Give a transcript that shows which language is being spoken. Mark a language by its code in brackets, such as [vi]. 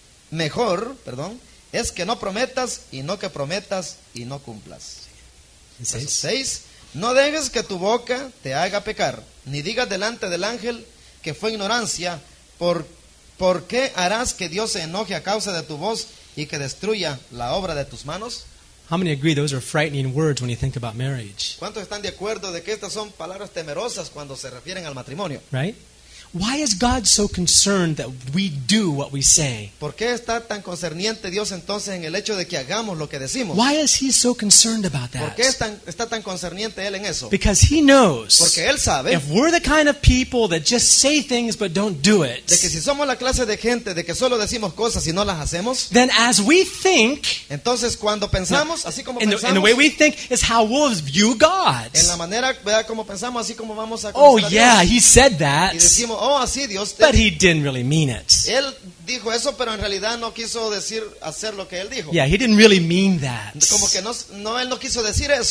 [es] Mejor, es que no prometas y no que prometas y no cumplas. Sí. Verso 6. No dejes que tu boca te haga pecar, ni digas delante del ángel que fue ignorancia, ¿por qué harás que Dios se enoje a causa de tu voz y que destruya la obra de tus manos? [en] How many agree those are frightening words when you think about marriage? [es] ¿Cuántos están de acuerdo de que estas son palabras temerosas cuando se refieren al matrimonio? [en] Right? Why is God so concerned that we do what we say? [es] ¿Por qué está tan concerniente Dios entonces en el hecho de que hagamos lo que decimos? [en] Why is He so concerned about that? [es] ¿Por qué está tan concerniente Él en eso? [en] Because He knows. [es] Porque Él sabe. [en] If we're the kind of people that just say things but don't do it. [es] De que si somos la clase de gente de que solo decimos cosas y no las hacemos. [en] Then as we think. [es] Entonces cuando pensamos, así como pensamos. [en] And the way we think is how we'll view God. [es] En la manera, ¿verdad? Como pensamos, así como vamos a conocer a Dios. [en] Oh yeah, He said that. [es] Y decimos, oh, así Dios [en] te... But he didn't really mean it. [es] Él dijo eso, pero en realidad no quiso decir hacer lo que él dijo. [en] Yeah, he didn't really mean that. [es] Como que no, él no quiso decir eso.